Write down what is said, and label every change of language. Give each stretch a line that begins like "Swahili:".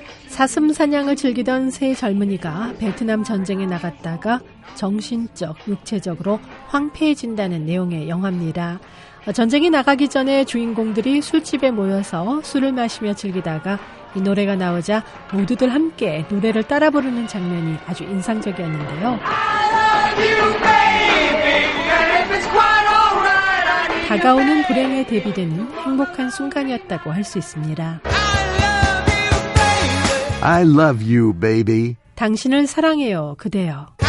Korean: 사슴 사냥을 즐기던 세 젊은이가 베트남 전쟁에 나갔다가 정신적, 육체적으로 황폐해진다는 내용의 영화입니다. 전쟁이 나가기 전에 주인공들이 술집에 모여서 술을 마시며 즐기다가 이 노래가 나오자 모두들 함께 노래를 따라 부르는 장면이 아주 인상적이었는데요.
English: I love you, baby, and if it's quite alright, I need you, baby.
Korean: 다가오는 불행에 대비되는 행복한 순간이었다고 할 수 있습니다.
English: I love you, baby.
Korean: 당신을 사랑해요, 그대여.